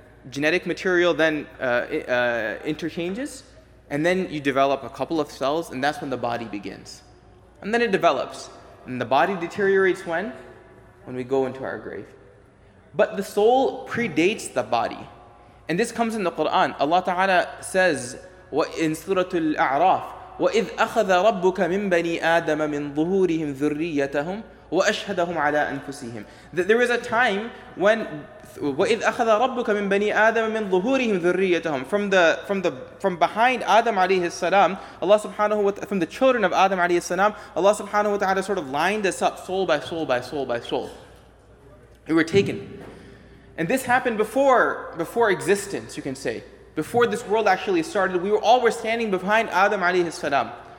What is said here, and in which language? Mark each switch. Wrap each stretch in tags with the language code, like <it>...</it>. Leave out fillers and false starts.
<en>Genetic material then interchanges. And then you develop a couple of cells, and that's when the body begins. And then it develops. And the body deteriorates when? When we go into our grave. But the soul predates the body. And this comes in the Quran. Allah Ta'ala says in Surah Al-A'raf,</en> <ar>وَإِذْ أَخَذَ رَبُّكَ مِنْ بَنِي آدَمَ مِنْ ظُهُورِهِمْ ذُرِّيَّتَهُمْ وَأَشْهَدَهُمْ عَلَىٰ أَنفُسِهِمْ.</ar> <en>That there is a time when</en> <ar>وَإِذْ أَخَذَ رَبُّكَ مِنْ بَنِي آدَمَ مِنْ ظُهُورِهِمْ ذُرِّيَّتَهُمْ.</ar> <en>From behind Adam alayhi salam, Allah subhanahu wa ta'ala, from the children of Adam alayhi salam, Allah subhanahu wa ta'ala sort of lined us up soul by soul by soul by soul. We were taken. And this happened before existence, you can say. Before this world actually started, we were all standing behind Adam alayhi salam.</en>